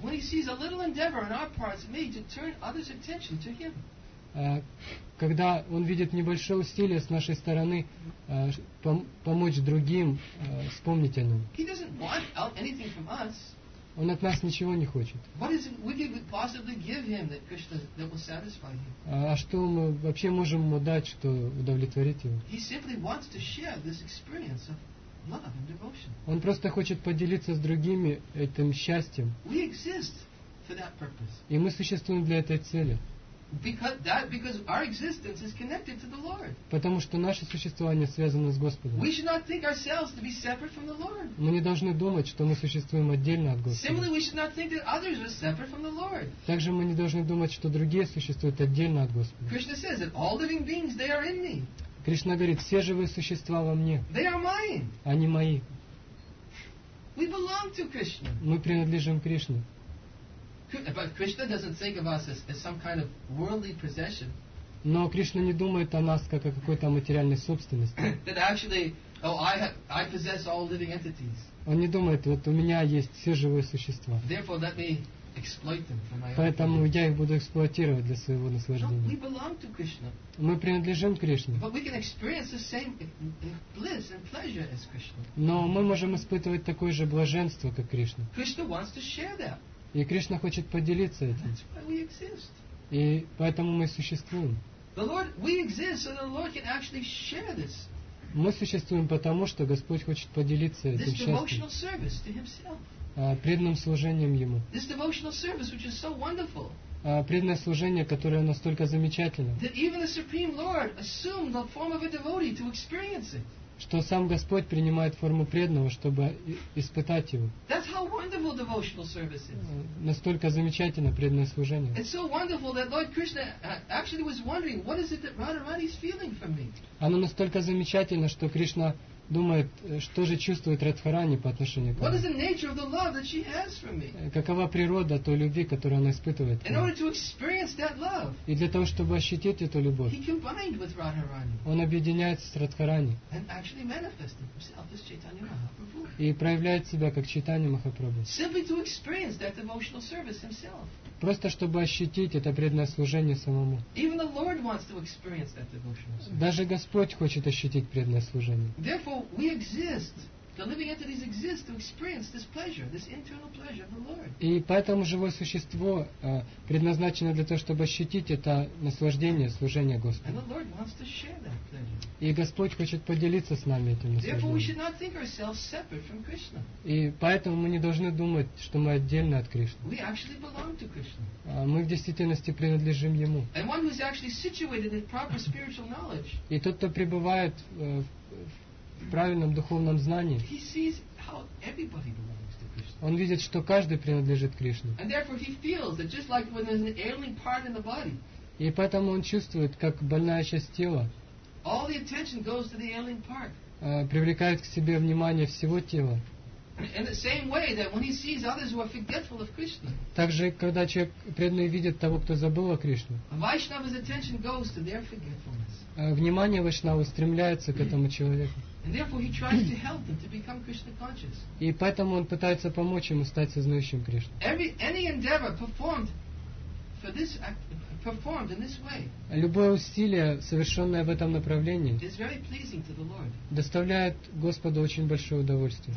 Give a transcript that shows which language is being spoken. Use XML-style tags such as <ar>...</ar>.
<en>When he sees a little endeavor on our parts made to turn others' attention to him.</en> <ru>Когда он видит небольшое усилие с нашей стороны помочь другим вспомнить о нем.</ru> <en>He doesn't want anything from us.</en> <ru>Он от нас ничего не хочет.</ru> <en>What is it we could possibly give him that Krishna that will satisfy him?</en> <ru>А что мы вообще можем ему дать, что удовлетворит его?</ru> <en>He simply wants to share this experience of love and devotion.</en> <ru>Он просто хочет поделиться с другими этим счастьем.</ru> <en>We exist for that purpose.</en> <ru>И мы существуем для этой цели.</ru> <en>Because our existence is connected to the Lord.</en> <ru>Потому что наше существование связано с Господом.</ru> <en>We should not think ourselves to be separate from the Lord.</en> <ru>Мы не должны думать, что мы существуем отдельно от Господа.</ru> <en>Similarly, we should not think that others are separate from the Lord.</en> <ru>Также мы не должны думать, что другие существуют отдельно от Господа.</ru> <en>Krishna says that all living beings they are in me.</en> <ru>Кришна говорит, все живые существа во мне.</ru> <en>They are mine.</en> <ru>Они мои.</ru> <en>We belong to Krishna.</en> <ru>Мы принадлежим Кришне.</ru> <en>But Krishna doesn't think of us as some kind of worldly possession.</en> <ru>Но Кришна не думает о нас как о какой-то материальной собственности.</ru> <en>That actually, I possess all living entities.</en> <ru>Он не думает, вот у меня есть все живые существа.</ru> <en>Therefore, let me exploit them for my own.</en> <ru>Поэтому я их буду эксплуатировать для своего наслаждения.</ru> <en>No, we belong to Krishna.</en> <ru>Мы принадлежим Кришне.</ru> <en>But we can experience the same bliss and pleasure as Krishna.</en> <ru>Но мы можем испытывать такое же блаженство, как Кришна.</ru> <en>Krishna wants to share that.</en> <ru>И Кришна хочет поделиться этим.</ru> <en>That's why we exist.</en> <ru>И поэтому мы существуем.</ru> <en>The Lord, we exist so the Lord can actually share this.</en> <ru>Мы существуем потому, что Господь хочет поделиться этим счастьем.</ru> <en>This devotional service to himself.</en> <ru>Преданным служением Ему.</ru> <en>This devotional service, which is so wonderful.</en> <ru>Преданное служение, которое настолько замечательно,</ru> <en>that even the Supreme Lord assumed the form of a devotee to experience it.</en> <ru>Что сам Господь принимает форму преданного, чтобы испытать его.</ru> <en>That's how wonderful devotional service is.</en> <ru>Настолько замечательно преданное служение.</ru> <en>It's so wonderful that Lord Krishna actually was wondering what is it that Radharani is feeling for me.</en> <ru>Оно настолько замечательно, что Кришна думает, что же чувствует Радхарани по отношению к нему.</ru> <en>What is the nature of the love that she has for me?</en> <ru>Какова природа той любви, которую она испытывает?</ru> <en>In order to experience that love.</en> <ru>И для того, чтобы ощутить эту любовь.</ru> <en>He combined with Radharani.</en> <ru>Он объединяется с Радхарани.</ru> <en>And actually manifested himself as Chaitanya Mahaprabhu.</en> <ru>И проявляет себя как Чайтанья Махапрабху.</ru> <en>Simply to experience that emotional service himself.</en> <ru>Просто чтобы ощутить это преданное служение самому.</ru> <en>Even the Lord wants to experience that devotional service.</en> <ru>Даже Господь хочет ощутить преданное служение.</ru> <en>Therefore, we exist. The living entities exist to experience this pleasure, this internal pleasure of the Lord.</en> <ru>И поэтому живое существо предназначено для того, чтобы ощутить это наслаждение, служение Господу.</ru> <en>And the Lord wants to share that pleasure.</en> <ru>И Господь хочет поделиться с нами этим наслаждением.</ru> <en>Therefore, we should not think ourselves separate from Krishna.</en> <ru>И поэтому мы не должны думать, что мы отдельны от Кришны.</ru> <en>We actually belong to Krishna.</en> <ru>Мы в действительности принадлежим Ему.</ru> <en>And one who is actually situated in proper spiritual knowledge.</en> <ru>И тот, кто пребывает в правильном духовном знании,</ru> <en>he sees how everybody belongs to Krishna.</en> <ru>Он видит, что каждый принадлежит Кришне.</ru> <en>And therefore he feels that just like when there's an ailing part in the body.</en> <ru>И поэтому он чувствует, как больная часть тела.</ru> <en>All the attention goes to the ailing part.</en> <ru>Привлекает к себе внимание всего тела.</ru> <en>In the same way that when he sees others who are forgetful of Krishna.</en> <ru>Также когда человек преданный видит того, кто забыл о Кришне.</ru> <en>Vaishnava's attention goes to their forgetfulness.</en> <ru>Внимание вайшнавы устремляется к этому человеку.</ru> <en>And therefore, he tries to help them to become Krishna conscious.</en> <ru>И поэтому он пытается помочь ему стать сознающим Кришну.</ru> <en>Any endeavor performed for this act, performed in this way.</en> <ru>Любое усилие, совершенное в этом направлении,</ru> <en>is very pleasing to the Lord.</en> <ru>Доставляет Господу очень большое удовольствие.</ru>